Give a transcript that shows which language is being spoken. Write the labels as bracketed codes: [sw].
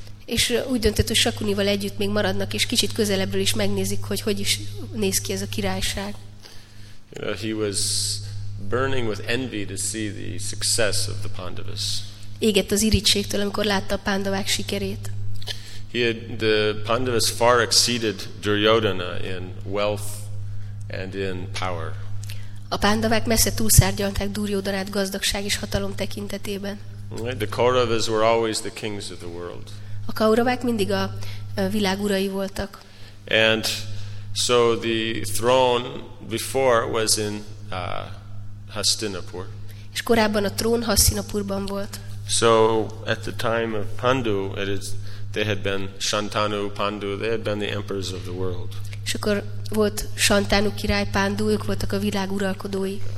[hu] És úgy döntött, hogy Shakunival együtt még maradnak, és kicsit közelebbről is megnézik, hogy is néz ki ez a királyság. [en] You know, he was burning with envy to see the success of the Pandavas. [hu] Égett az irigységtől, amikor látta a Pandavák sikerét. [en] The Pandavas far exceeded Duryodhana in wealth and in power. [hu] A Pandavák messze túlszárnyalták Duryodhanát gazdagság és hatalom tekintetében. [en] The Kauravas were always the kings of the world. [hu] A Kauravák mindig a világ urai voltak. [en] And so the throne before was in Hastinapur. [hu] És korábban a trón Hastinapurban volt. [en] So at the time of Pandu, they had been Shantanu, Pandu, they had been the emperors of the world. [hu] És akkor volt Shantanu király, Pandu, ők voltak a világ uralkodói.